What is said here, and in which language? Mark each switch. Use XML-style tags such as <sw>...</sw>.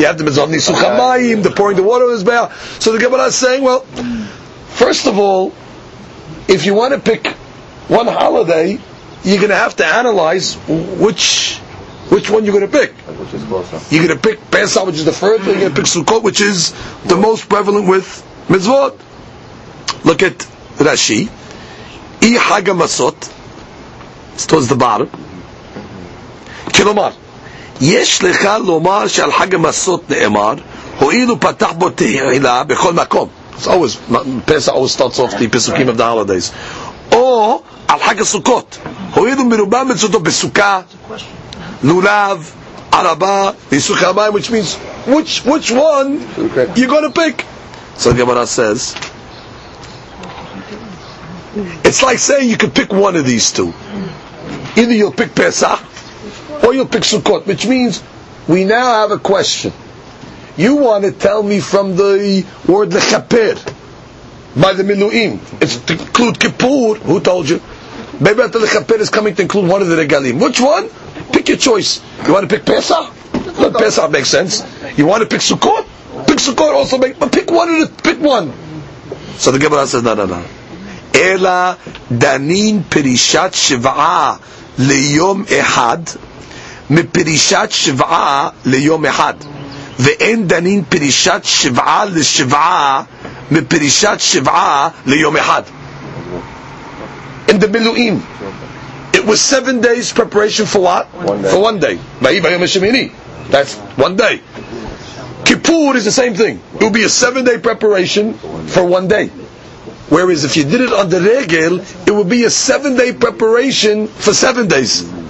<en>You have the mitzvah of Nisuch HaMayim, the pouring the water of the Mizbeah. So the Gemara is saying, well, first of all, if you want to pick one holiday, you're going to have to analyze which one you're going to pick. You're going to pick Pesach, which is the first, or you're going to pick Sukkot, which is the most prevalent with mitzvot. Look at Rashi. I Hag HaMasot. It's towards the bottom.</en> <he>כלומר, יש לך לומר שעל חג המסות נאמר, הועילו פתח בו תהילה בכל מקום.</he> <en>It's always, Pesach always starts off the Pesukim of the holidays.</en> <he>או על חג הסוכות, הועילו מרובה מצוותו בסוכה, לולב, ערבה, ניסוכי המים,</he> <en>which means, which one you're going to pick? So Gemara says, it's like saying you could pick one of these two. Either you'll pick Pesach, or you'll pick Sukkot, which means we now have a question. You want to tell me from the word lechaper by the Miluim, it's to include Kippur. Who told you? Maybe the lechaper is coming to include one of the regalim. Which one? Pick your choice. You want to pick Pesach? Let Pesach make sense. You want to pick Sukkot? Pick Sukkot also make, but pick one of the, pick one. So the Gemara says, no.</en> <he>Ela danin perishat shiva'a liyom ehad. מפרישת שבעה ליום אחד ואין דנין פרישת שבעה לשבעה מפרישת שבעה ליום אחד.</he> <en>In the מילואים, it was 7 days preparation for what? One day.</en> <he>ויהי ביום השמיני.</he> <en>That's one day. Kippur is the same thing. It will be a 7 day preparation for one day. Whereas if you did it on the regel, it would be a 7 day preparation for 7 days.</en>